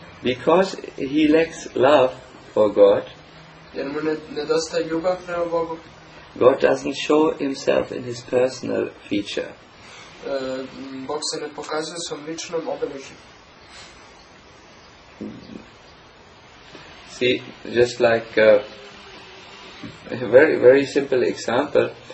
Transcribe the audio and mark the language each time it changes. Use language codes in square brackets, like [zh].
[en] Because he lacks love for God, [sr] jer mu nedostaje ljubav prema Bogu, [en] God doesn't show himself in his personal feature. [sr] Bog se ne pokazuje u svom ličnom obeležju. [en] See, just like a very, very simple example.